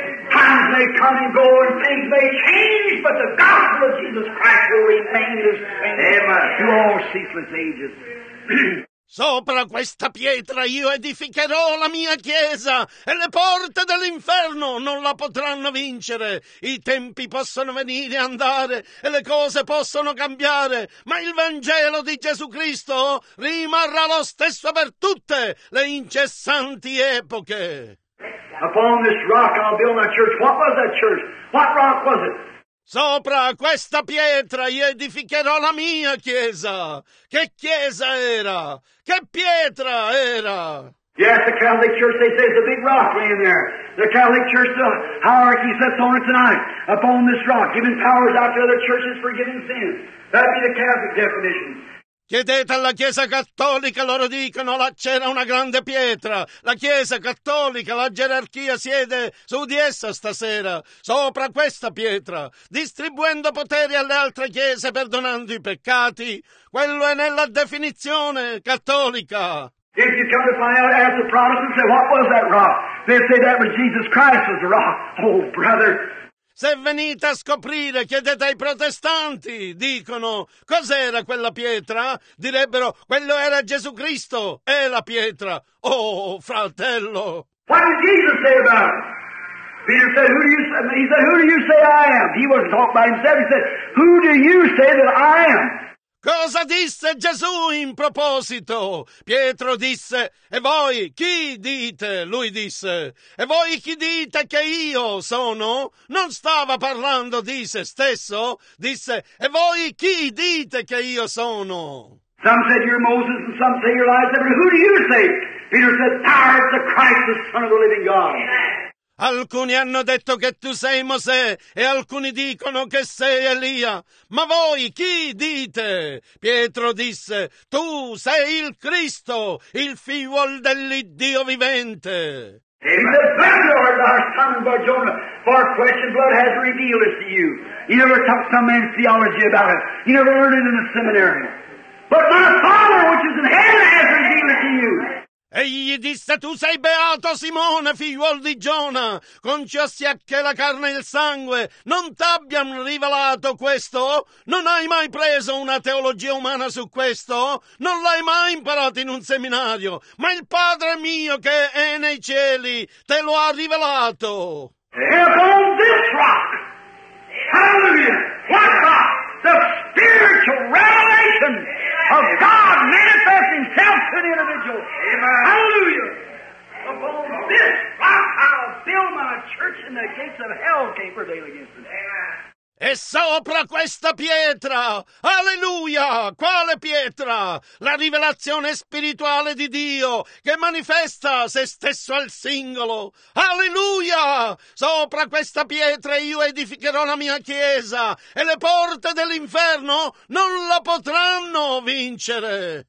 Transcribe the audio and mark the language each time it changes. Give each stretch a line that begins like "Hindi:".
English: Times may come and go and things may change, but the gospel of Jesus Christ will remain the same through all ceaseless ages.
Italian: Sopra questa pietra io edificherò la mia chiesa e le porte dell'inferno non la potranno vincere. I tempi possono venire e andare e le cose possono cambiare, ma il Vangelo di Gesù Cristo rimarrà lo stesso per tutte le incessanti epoche.
English: Upon this rock I'll build my church. What was that church? What rock was it?
Italian: Sopra questa pietra io edificherò la mia chiesa. Che chiesa era? Che pietra era?
English: Yes, the Catholic Church, they say, is a big rock laying there. The Catholic Church, the hierarchy sits on it tonight, upon this rock, giving powers out to other churches for giving sins. That'd be the Catholic definition.
Italian: Chiedete alla Chiesa Cattolica, loro dicono, là c'era una grande pietra. La Chiesa Cattolica, la gerarchia siede su di essa stasera, sopra questa pietra, distribuendo poteri alle altre chiese, perdonando i peccati. Quello è nella definizione cattolica.
English: If you come to find out, ask the Protestants, say, what was that rock? They say that was Jesus Christ was the rock. Oh, brother.
Italian: Se venite a scoprire, chiedete ai protestanti, dicono, cos'era quella pietra? Direbbero, quello era Gesù Cristo, è la pietra. Oh, fratello!
English: What did Jesus say about him? Peter said, who do you say? He said, who do you say I am? He wasn't talking by himself, he said, who do you say that I am?
Italian: Cosa disse Gesù in proposito? Pietro disse, e voi chi dite? Lui disse, e voi chi dite che io sono? Non stava parlando di se stesso? Disse, e voi chi dite che io sono?
English: Some said you're Moses and some say you're Elijah, but who do you say? Peter said, thou art the Christ, the Son of the living God.
Italian: Alcuni hanno detto che tu sei Mosè e alcuni dicono che sei Elia. Ma voi chi dite? Pietro disse, tu sei il Cristo, il figlio dell'Iddio vivente.
English: Amen. He said, Blessed are thou, son of Jonah, for flesh and blood has revealed it to you. You never taught some man's theology about it. You never learned it in the seminary. But my Father, which is in heaven, has revealed it to you.
Italian: Egli disse, tu sei beato, Simone, figliuol di Giona, concio sia che la carne e il sangue non t'abbiano rivelato questo? Non hai mai preso una teologia umana su questo? Non l'hai mai imparato in un seminario? Ma il Padre mio che è nei cieli te lo ha rivelato.
English: If on this rock, hallelujah, what rock? The spiritual revelation of God manifests himself to an individual. Amen. Hallelujah. Upon this rock I'll build my church, and the gates of hell can't prevail against it. Amen.
Italian: E sopra questa pietra, alleluia, quale pietra? La rivelazione spirituale di Dio che manifesta se stesso al singolo, alleluia! Sopra questa pietra io edificherò la mia chiesa e le porte dell'inferno non la potranno vincere.